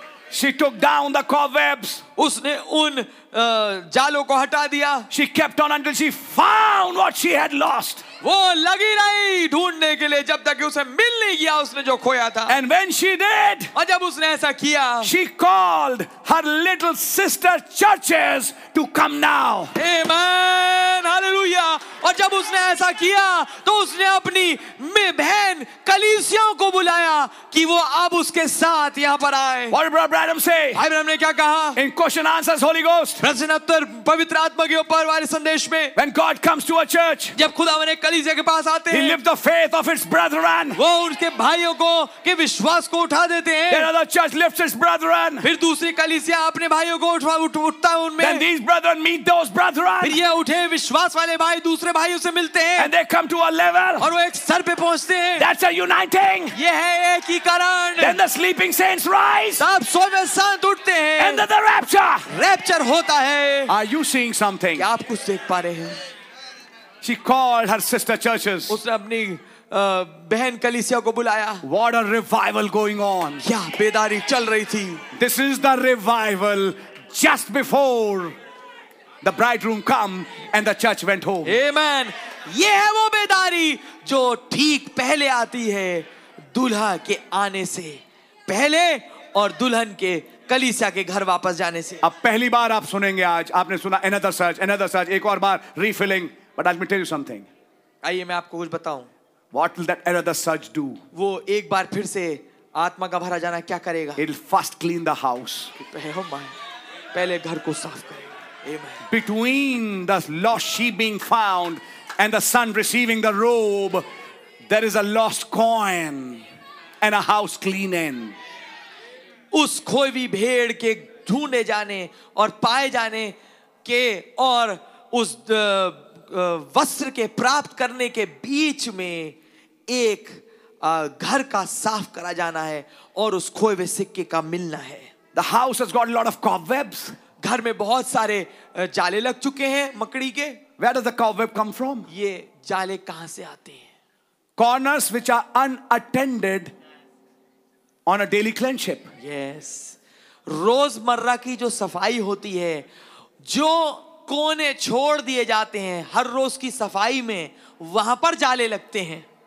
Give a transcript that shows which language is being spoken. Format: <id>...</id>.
<en>She took down the cobwebs.</en> <hi>उसने उन जालों को हटा दिया.</hi> <en>She kept on until she found what she had lost.</en> <hi>वो लगी रही ढूंढने के लिए जब तक उसे मिल नहीं गया उसने जो खोया था.</hi> <en>And when she did,</en> <hi>और जब उसने ऐसा किया,</hi> <en>she called her little sister churches to come now. Amen, hallelujah.</en> <hi>और जब उसने ऐसा किया तो उसने अपनी बहन कलीसियाओं को बुलाया कि वो अब उसके साथ यहाँ पर आए.</hi> <en>What did Brother Branham say?</en> <hi>भाई ब्रह्म ने क्या कहा?</hi> <en>In question answers, Holy Ghost.</en> <hi>प्रश्न उत्तर पवित्र आत्मा के ऊपर वाले संदेश में.</hi> <en>When God comes to a church,</en> <hi>जब खुदा अपने कलीसिया के पास आते हैं,</hi> <en>He lifts the faith of its brethren.</en> <hi>वो उनके भाइयों को के विश्वास को उठा देते हैं.</hi> <en>Then another church lifts its brethren.</en> <hi>फिर दूसरी कलीसिया अपने भाइयों को उठता है उनमें.</hi> <en>Then these brethren meet those brethren.</en> <hi>फिर ये उठे विश्वास वाले भाई दूसरे भाइयों से मिलते हैं.</hi> <en>And they come to a level.</en> <hi>और वो एक स्तर पे पहुंचते हैं.</hi> <en>That's a uniting.</en> <hi>ये है एकीकरण.</hi> <en>Then the sleeping saints rise.</en> <hi>तब सोए संत उठते हैं.</hi> <en>And then the rapture.</en> <hi>Rapture होता है.</hi> <en>Are you seeing something?</en> <hi>क्या आप कुछ देख पा रहे हैं?</hi> <en>She called her sister churches.</en> <hi>उसने अपनी बहन कलीसिया को बुलाया.</hi> <en>What a revival going on.</en> <hi>क्या बेदारी चल रही थी.</hi> <en>This is the revival just before the bridegroom come and the church went home. Amen.</en> <hi>ये है वो बेदारी जो ठीक पहले आती है दुल्हा के आने से पहले और दुल्हन के कलीसिया के घर वापस जाने से. अब पहली बार आप सुनेंगे आज. आपने सुना</hi> <en>another search,</en> <hi>एक और बार refilling.</hi> <en>But let me tell you something.</en> <hi>आइए मैं आपको कुछ बताऊं.</hi> <en>What will that another search do?</en> <hi>वो एक बार फिर से आत्मा का भरा जाना क्या करेगा?</hi> <en>It'll first clean the house.</en> <hi>पहले घर को साफ करेगा. Amen.</hi> <en>Between the lost sheep being found and the son receiving the robe, there is a lost coin and a house cleaning.</en> <hi>उस खोई हुई भेड़ के ढूंढे जाने और पाए जाने के और उस वस्त्र के प्राप्त करने के बीच में एक घर का साफ करा जाना है और उस खोए हुए सिक्के का मिलना है.</hi> <en>The house has got a lot of cobwebs.</en> <hi>घर में बहुत सारे जाले लग चुके हैं मकड़ी के.</hi> <en>Where does the cobweb come from?</en> <hi>ये जाले कहां से आते हैं?</hi> <en>Corners which are unattended on a daily cleanship. Yes.</en> <hi>रोजमर्रा की जो सफाई होती है, जो कोने छोड़ दिए जाते हैं हर रोज की सफाई में, वहां पर जाले लगते हैं.</hi>